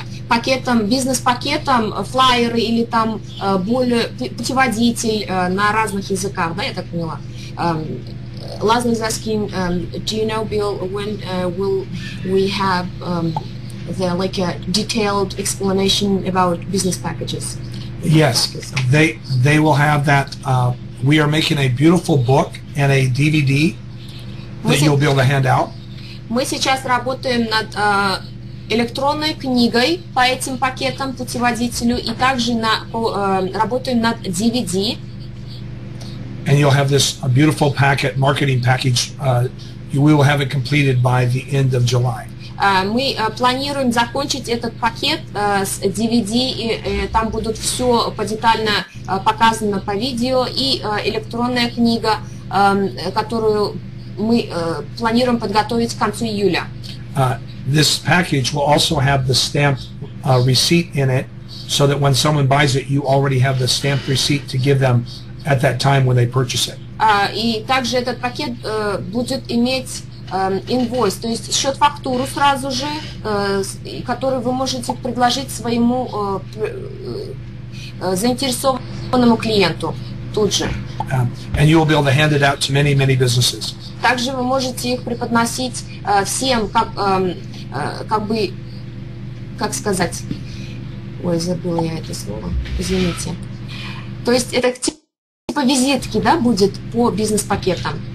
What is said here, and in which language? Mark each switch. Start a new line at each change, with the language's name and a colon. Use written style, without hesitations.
Russian: пакетом, бизнес-пакетом, флайеры или там путеводитель на разных языках, да, я так поняла.
English: Lazlo is asking, do you know, Bill, when will we have the like a detailed explanation about business packages? Yes, they will have that. We are making a beautiful book and a DVD that you'll be able to hand out.
Russian: Мы сейчас работаем над электронной книгой по этим пакетам путеводителю и также на работаем над DVD.
English: And you'll have this beautiful packet, marketing package. You will have it completed by the end of July.
Russian: Мы планируем закончить этот пакет с DVD, и там будут все подетально показано по видео, и электронная книга, которую мы планируем подготовить к концу июля.
English: This package will also have the stamp receipt in it, so that when someone buys it, you already have the stamp receipt to give them at that time when they purchase it.
Russian: И также этот пакет будет иметь инвойс, то есть счет-фактуру сразу же, который вы можете предложить своему заинтересованному клиенту тут же.
English: And you will be able to hand it out to many, many businesses.
Russian: Также вы можете их преподносить всем, То есть это типа визитки, да, будет по бизнес-пакетам.